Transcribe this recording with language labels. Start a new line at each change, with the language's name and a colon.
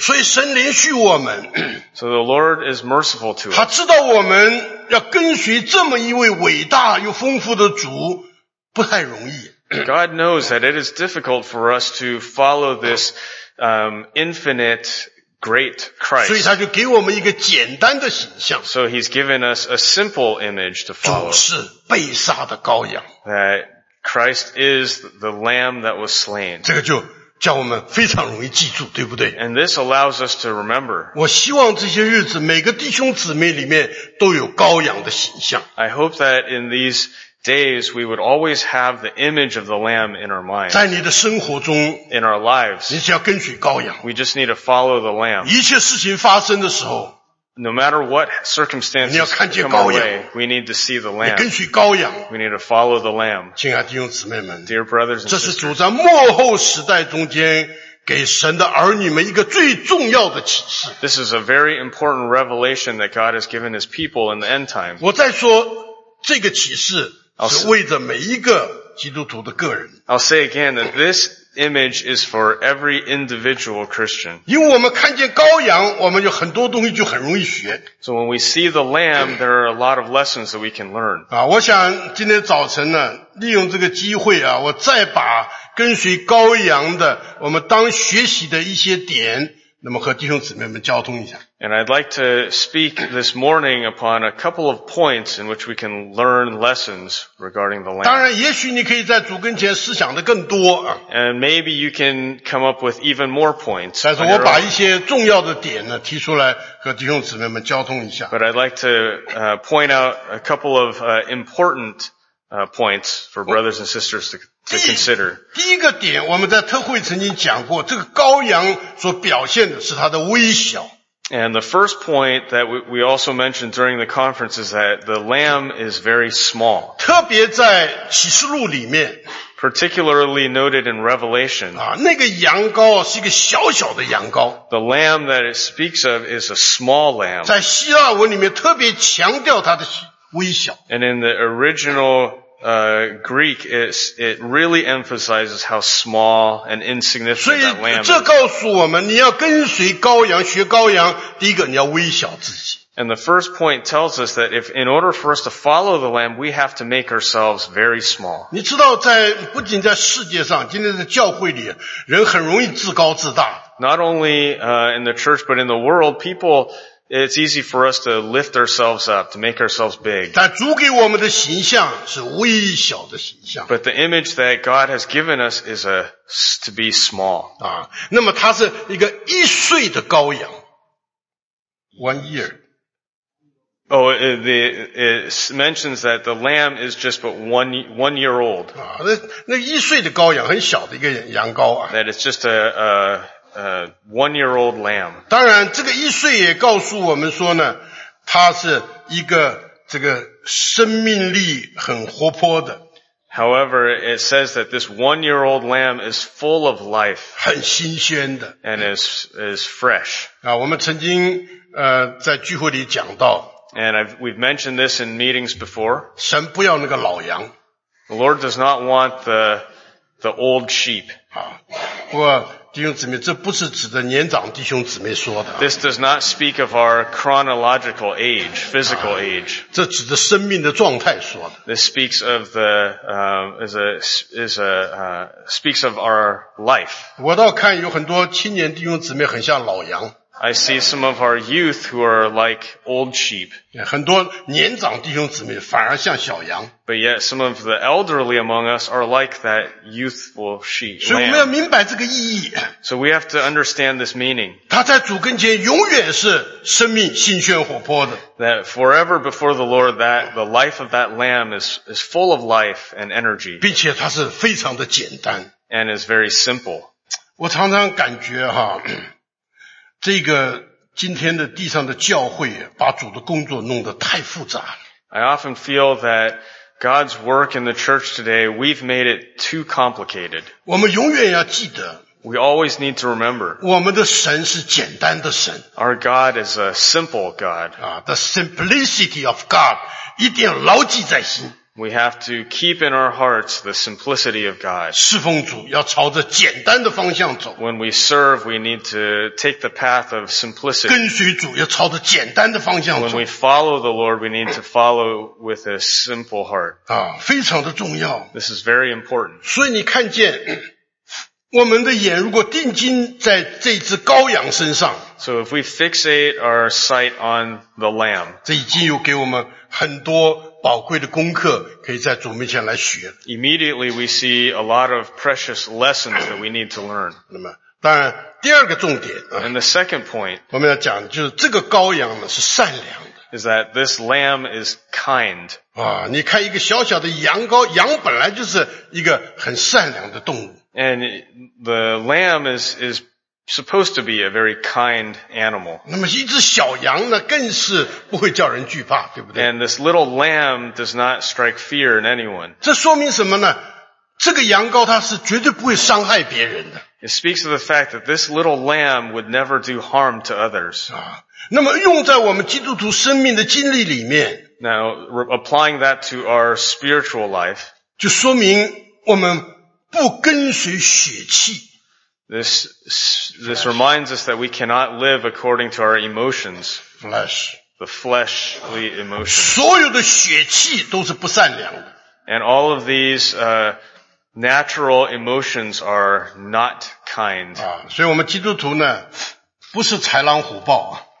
Chinese: 所以神怜恤我们。
English: So the Lord is merciful to us.
Chinese: 他知道我们要跟随这么一位伟大又丰富的主不太容易。
English: God knows that it is difficult for us to follow this infinite great Christ.
Chinese: 所以他就给我们一个简单的形象。
English: So he's given us a simple image to follow.
Chinese: 主是被杀的羔羊。
English: That Christ is the lamb that was slain.
Chinese: 这个就叫我们非常容易记住，对不对？
English: And this allows us to remember.
Chinese: 我希望这些日子每个弟兄姊妹里面都有羔羊的形象。
English: I hope that in these days we would always have the image of the lamb in our mind.
Chinese: 在你的生活中，
English: in our lives,
Chinese: 你只要跟随羔羊，
English: we just need to follow the lamb.
Chinese: 一切事情发生的时候，
English: no matter what circumstances,
Chinese: 你要看见羔羊，
English: we need to see the lamb.
Chinese: 你跟随羔羊，
English: we need to follow the lamb.
Chinese: 亲爱的弟兄姊妹们，
English: dear brothers and sisters,
Chinese: 这是主在末后时代中间给神的儿女们一个最重要的启示。
English: This is a very important revelation that God has given his people in the end time.
Chinese: 我再说这个启示是为着每一个基督徒的个人。
English: I'll say again that this image is for every individual Christian.
Chinese: 因为我们看见羔羊，我们有很多东西就很容易学。
English: So when we see the lamb, there are a lot of lessons that we can learn.
Chinese: 啊，我想今天早晨呢，利用这个机会啊，我再把跟随羔羊的我们当学习的一些点，那么和弟兄姊妹们交通一下。
English: And I'd like to speak this morning upon a couple of points in which we can learn lessons regarding the lamb.
Chinese: 当然也许你可以在主跟前思想的更多。
English: And maybe you can come up with even more points.
Chinese: 但是我把一些重要的点呢提出来和弟兄姊妹们交通一下。
English: But I'd like to point out a couple of important points for brothers and sisters to consider.
Chinese: 第一个点我们在特会曾经讲过，这个羔羊所表现的是他的微小。
English: And the first point that we also mentioned during the conference is that the lamb is very small.
Chinese: 特别在启示录里面。
English: Particularly noted in Revelation.
Chinese: 啊，那个羊羔是一个小小的羊羔。
English: The lamb that it speaks of is a small lamb.
Chinese: 在希腊文里面特别强调它的微小。
English: And in the original Greek, it really emphasizes how small and insignificant that lamb is.
Chinese: 所以这告诉我们，你要跟随羔羊，学羔羊，第一个你要微小自己。
English: And the first point tells us that if in order for us to follow the Lamb, we have to make ourselves very small.
Chinese: 你知道在不仅在世界上，今天在教会里，人很容易自高自大。
English: Not only in the church, but in the world, people, it's easy for us to lift ourselves up, to make ourselves big.
Chinese: 但主给我们的形象是微小的形象。
English: But the image that God has given us is to be small.
Chinese: 啊，那么他是一个一岁的羔羊。
English: One year. Oh, it mentions that the lamb is just but one year old.
Chinese: 那一岁的羔羊，很小的一个羊羔啊。
English: That it's just a one year old lamb.
Chinese: 当然，这个一岁也告诉我们说呢，它是一个这个生命力很活泼的。
English: However, it says that this one year old lamb is full of life.
Chinese: 很新鲜的。
English: And is fresh.
Chinese: 啊，我们曾经在聚会里讲到。
English: And we've mentioned this in meetings before.
Chinese: 神不要那个老羊。
English: The Lord does not want the old sheep.
Chinese: 不过弟兄姊妹，这不是指的年长弟兄姊妹说的。
English: This does not speak of our chronological age, physical age.
Chinese: 这指的生命的状态说的。
English: This speaks of speaks of our life.
Chinese: 我倒看有很多青年弟兄姊妹很像老羊。
English: I see some of our youth who are like old sheep.
Chinese: 很多年长弟兄姊妹反而像小羊。
English: But yet some of the elderly among us are like that youthful sheep.
Chinese: 所以我们要明白这个意义。
English: So we have to understand this meaning.
Chinese: 他在主跟前永远是生命新鲜活泼的。
English: That forever before the Lord, that the life of that lamb is full of life and energy.
Chinese: 并且他是非常的简单。
English: And is very simple.
Chinese: 我常常感觉哈。这个今天的地上的教会把主的工作弄得太复杂了。
English: I often feel that God's work in the church today, we've made it too complicated.
Chinese: 我们永远要记得。
English: We always need to remember.
Chinese: 我们的神是简单的神。
English: Our God is a simple God. The simplicity of God
Chinese: 一定要牢记在心。
English: We have to keep in our hearts the simplicity of God.
Chinese: 侍奉主要朝着简单的方向走。
English: When we serve, we need to take the path of simplicity.
Chinese: 跟随主要朝着简单的方向走。
English: When we follow the Lord, we need to follow with a simple heart.
Chinese: 啊，非常的重要。
English: This is very important.
Chinese: 所以你看见我们的眼如果定睛在这只羔羊身上。
English: So if we fixate our sight on the lamb.
Chinese: 这已经有给我们很多宝贵的功课可以在主面前来学。
English: Immediately we see a lot of precious lessons that we need to learn.
Chinese: 那么当然第二个重点。
English: And the second point.
Chinese: 我们要讲就是这个羔羊呢是善良的。
English: Is that this lamb is kind.
Chinese: 啊，你看一个小小的羊羔，羊本来就是一个很善良的动物。
English: And the lamb is supposed to be a very kind animal.
Chinese: 那么一只小羊呢，更是不会叫人惧怕，对不对？
English: And this little lamb does not strike fear in anyone.
Chinese: 这说明什么呢？这个羊羔它是绝对不会伤害别人的。
English: It speaks of the fact that this little lamb would never do harm to others.
Chinese: 啊，那么用在我们基督徒生命的经历里面。
English: Now, applying that to our spiritual life.
Chinese: 就说明我们不跟随血气。
English: This reminds us that we cannot live according to our emotions. Flesh. The fleshly emotions.
Chinese: 所有的血气都是不善良的。
English: And all of these, natural emotions are not kind.
Chinese: 啊，所以我们基督徒呢，不是豺狼虎豹。